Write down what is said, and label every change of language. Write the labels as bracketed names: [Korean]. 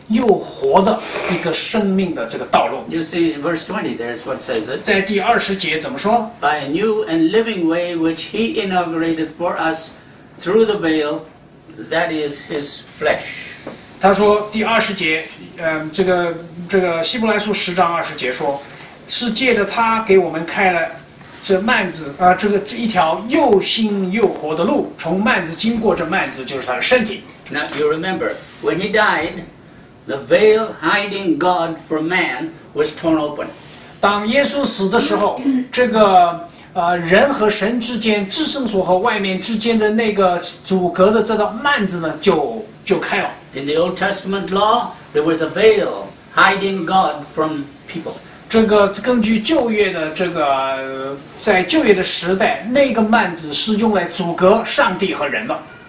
[Chinese] 又活的一个生命的这个道路。 [English] You see, in verse 20, there's what says it. [Chinese] 在第二十节怎么说 [English] ？By a new and living way which he inaugurated for us through the veil, that is his flesh. [Chinese] 他说第二十节，这个希伯来书十章二十节说，是借着他给我们开了这幔子啊、这一条又新又活的路，从幔子经过，这幔子就是他的身体。 [English] Now you remember when he died. The veil hiding God from man was torn open. [Chinese] 当耶稣死的时候，这个人和神之间至圣所和外面之间的那个阻隔的这道幔子呢，就开了。 [English] In the Old Testament law, there was a veil hiding God from people. [Chinese] 这个根据旧约的这个在旧约的时代，那个幔子是用来阻隔上帝和人的。